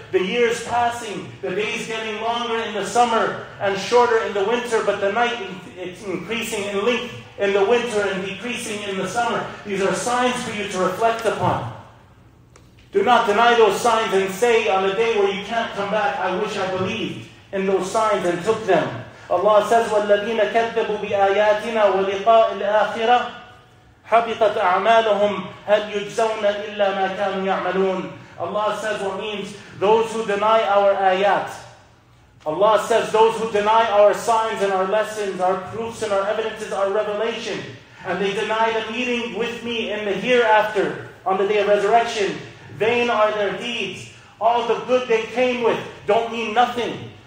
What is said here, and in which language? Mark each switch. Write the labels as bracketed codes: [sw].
[en] The years passing, the days getting longer in the summer and shorter in the winter, but the night it's increasing in length in the winter and decreasing in the summer. These are signs for you to reflect upon. Do not deny those signs and say on a day where you can't come back, I wish I believed in those signs and took them. Allah says, [ar] وَالَّذِينَ كَذَّبُوا بِآيَاتِنَا وَلِقَاءِ الْآخِرَةِ حَبِطَتْ أَعْمَالُهُمْ هَلْ يُجْزَوْنَ إِلَّا مَا كَانُوا يَعْمَلُونَ. [en] Allah says what means, those who deny our ayat. Allah says those who deny our signs and our lessons, our proofs and our evidences, our revelation. And they deny the meeting with me in the hereafter, on the day of resurrection. Vain are their deeds. All the good they came with don't mean nothing.